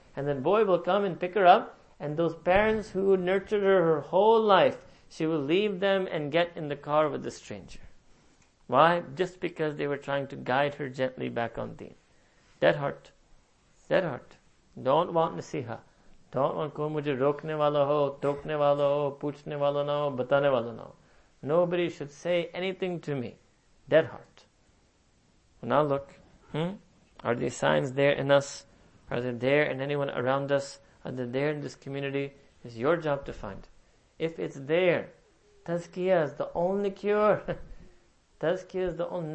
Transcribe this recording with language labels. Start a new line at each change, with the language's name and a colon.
English: And then boy will come and pick her up, and those parents who nurtured her whole life, she will leave them and get in the car with the stranger. Why? Just because they were trying to guide her gently back on deen. Dead heart. Dead heart. Don't want nasiha. Don't want
Urdu: کوئی مجھے روکنے والا ہو، ٹوکنے والا ہو، پوچھنے والا نہ ہو، بتانے والا نہ ہو۔
English: Nobody should say anything to me. Dead heart. Now look. Are these signs there in us? Are they there in anyone around us? Are they there in this community? It's your job to find. If it's there, tazkiyah is the only cure. Tazkiyah is the only...